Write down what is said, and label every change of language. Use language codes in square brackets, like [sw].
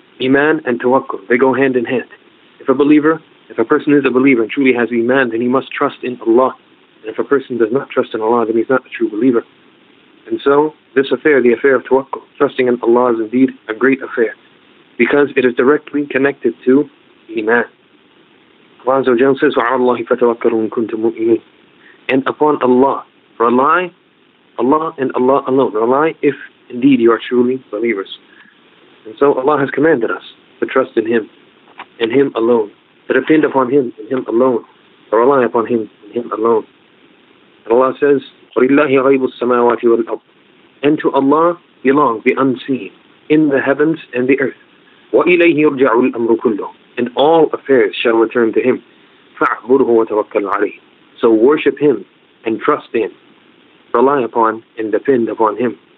[en] Iman and tawakkul, they go hand in hand. If a person is a believer and truly has Iman, then he must trust in Allah. And if a person does not trust in Allah, then he's not a true believer. And so this affair, the affair of tawakkul, trusting in Allah, is indeed a great affair, because it is directly connected to Iman. Allah Azza wa Jalla says, [ar] وَعَلَى اللَّهِ فَتَوَكَّلُوا إِن كُنْتُمْ مُؤْمِنِينَ. [en] And upon Allah, rely Allah and Allah alone. Rely if indeed you are truly believers. And so Allah has commanded us to trust in Him, in Him alone. To depend upon Him, in Him alone. To rely upon Him, in Him alone. And Allah says, [ar] وَلِلَّهِ غَيْبُ السَّمَاوَاتِ وَالْأَرْضِ. [en] And to Allah belong the unseen, in the heavens and the earth. [ar] وَإِلَيْهِ يُرْجَعُ الْأَمْرُ كُلُّهُ. [en] And all affairs shall return to Him. [ar] فَاعْبُدْهُ وَتَوَكَّلْ عَلَيْهِ. [en] So worship Him and trust in, rely upon and depend upon Him.